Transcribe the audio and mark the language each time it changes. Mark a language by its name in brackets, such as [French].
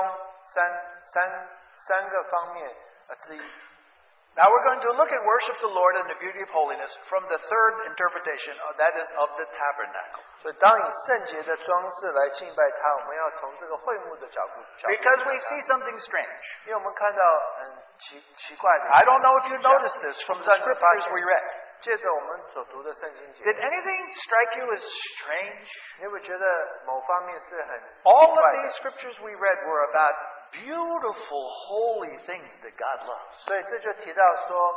[Chinese] 所以这个圣经节是其中三个方面。 [English] Now we're going to look at worship the Lord and the beauty of holiness from the third interpretation, that is of the tabernacle. [Chinese] 所以当以圣洁的装饰来敬拜他，我们要从这个会幕的角度。 [English] Because we see something strange. [Chinese] 因为我们看到很奇怪的。 [English] I don't know if you noticed this from the scriptures we read. [Chinese] 借着我们所读的圣经节, [English] did anything strike you as strange? [Chinese] 你会觉得某方面是很奇怪的? [English] All of these scriptures we read were about beautiful, holy things that God loves.